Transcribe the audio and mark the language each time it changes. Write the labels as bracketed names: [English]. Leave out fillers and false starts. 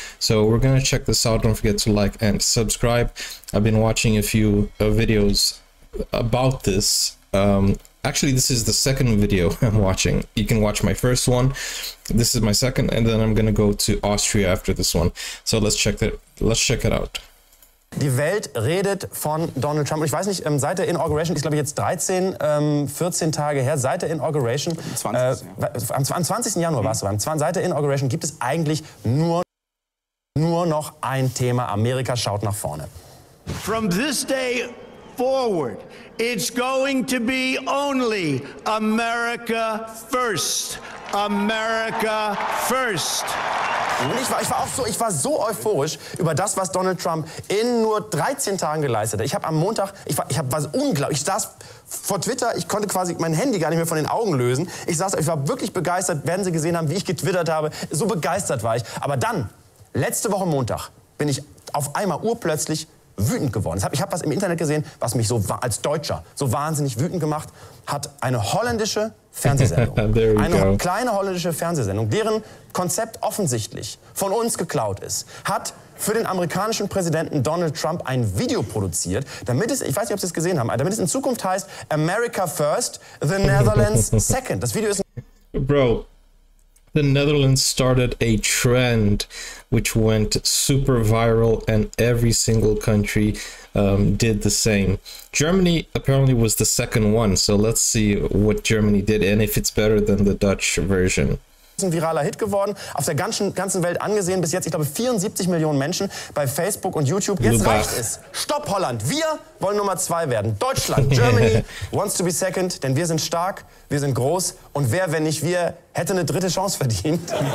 [English] So we're gonna check this out. Don't forget to like and subscribe. I've been watching a few videos about this. Actually, this is the second video I'm watching. You can watch my first one. This is my second, and then I'm gonna go to Austria after this one. So let's check it out. [German] Die Welt redet von Donald Trump. Ich weiß nicht, seit der Inauguration, ist glaube ich jetzt 14 Tage her, seit der Inauguration, 20. Am 20. Januar war es so, seit der Inauguration gibt es eigentlich nur noch ein Thema. Amerika schaut nach vorne. [English] From this day forward, it's going to be only America first. America first. [German] Ich war auch so, ich war so euphorisch über das, was Donald Trump in nur 13 Tagen geleistet hat. Ich habe am Montag, ich war unglaublich, ich saß vor Twitter, ich konnte quasi mein Handy gar nicht mehr von den Augen lösen. Ich war wirklich begeistert, werden Sie gesehen haben, wie ich getwittert habe. So begeistert war ich. Aber dann, letzte Woche Montag, bin ich auf einmal urplötzlich wütend geworden. Ich habe was im Internet gesehen, was mich so als Deutscher so wahnsinnig wütend gemacht hat. Eine holländische Fernsehsendung. Kleine holländische Fernsehsendung, deren Konzept offensichtlich von uns geklaut ist, hat für den amerikanischen Präsidenten Donald Trump ein Video produziert, damit es, ich weiß nicht, ob Sie es gesehen haben, damit es in Zukunft heißt [English] America First, the Netherlands Second. [German] Das Video ist... [English] Bro, the Netherlands started a trend which went super viral, and every single country did the same. Germany apparently was the second one, so let's see what Germany did and if it's better than the Dutch version. [German] Es ist ein viraler Hit geworden, auf der ganzen Welt angesehen bis jetzt, ich glaube 74 Millionen Menschen bei Facebook und YouTube. Jetzt reicht es. Stopp Holland, wir wollen Nummer zwei werden. Deutschland, [English] Germany wants to be second, [German] denn wir sind stark, wir sind groß und wer, wenn nicht wir, hätte eine dritte Chance verdient.